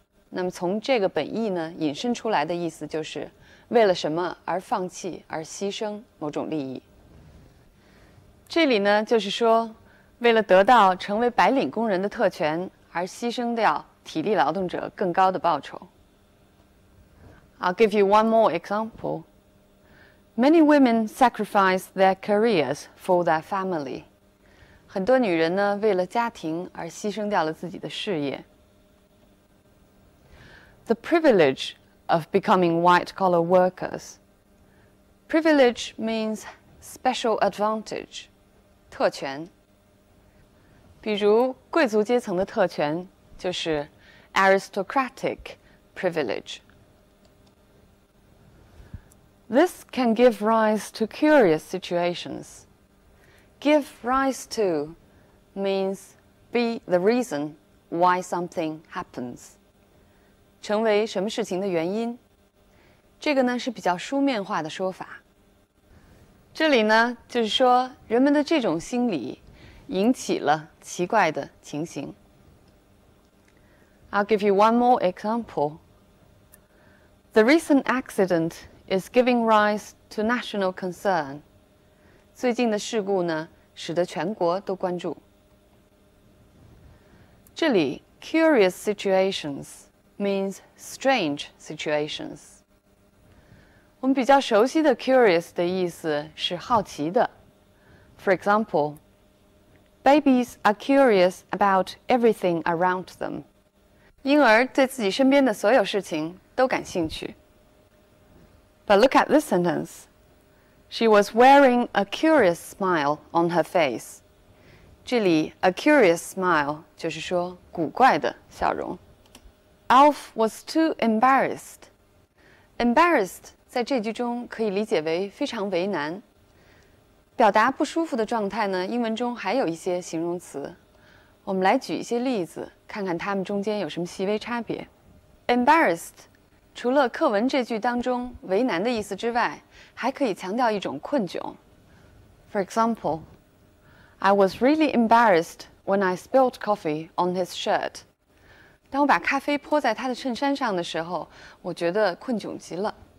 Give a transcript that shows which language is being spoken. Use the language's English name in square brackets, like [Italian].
[Chinese] 那么从这个本意呢，引申出来的意思就是为了什么而放弃而牺牲某种利益。这里呢，就是说为了得到成为白领工人的特权而牺牲掉体力劳动者更高的报酬。 [English] I'll give you one more example. Many women sacrifice their careers for their family. [Chinese] 很多女人呢，为了家庭而牺牲掉了自己的事业。 [English] The privilege of becoming white-collar workers. Privilege means special advantage, 特权。 [Chinese] 比如贵族阶层的特权就是 aristocratic privilege. [English] This can give rise to curious situations. Give rise to means be the reason why something happens. [Chinese] 成为什么事情的原因。这个呢是比较书面化的说法。这里呢就是说人们的这种心理引起了奇怪的情形。 [English] I'll give you one more example. The recent accident is giving rise to national concern. [Chinese] 最近的事故呢，使得全国都关注。 [English] 这里 curious situations means strange situations. [Chinese] 我们比较熟悉的 curious 的意思是好奇的。 [English] For example,Babies are curious about everything around them. [Chinese] 婴儿对自己身边的所有事情都感兴趣。 [English] But look at this sentence. She was wearing a curious smile on her face. [Chinese] 这里 a curious smile 就是说古怪的笑容。 [English] Alf was too embarrassed. [Chinese] Embarrassed 在这句中可以理解为非常为难。表达不舒服的状态呢，英文中还有一些形容词。我们来举一些例子，看看它们中间有什么细微差别。 Embarrassed, 除了课文这句当中为难的意思之外，还可以强调一种困窘。 [English] For example, I was really embarrassed when I spilled coffee on his shirt. [Chinese] 当我把咖啡泼在他的衬衫上的时候，我觉得困窘极了。